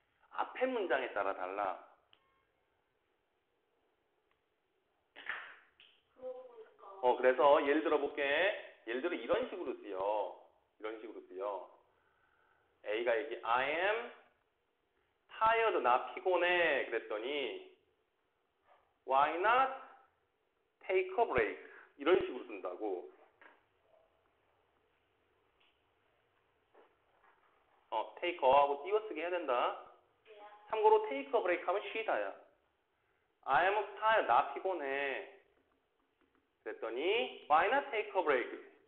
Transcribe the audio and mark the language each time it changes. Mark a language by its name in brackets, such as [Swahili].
[Korean] 앞에 문장에 따라 달라. 그래서 예를 들어 볼게. 예를 들어 이런 식으로 쓰여. 이런 식으로 쓰여. A가 얘기, [English] I am tired, [Korean] 나 피곤해. 그랬더니, [English] why not take a break? [Korean] 이런 식으로 쓴다고. 테이크 어하고 띄어쓰기 해야 된다. 참고로 테이크 어 브레이크 하면 쉬다야. [English] I am tired, [Korean] 나 피곤해. 그랬더니 [English] why not take a break?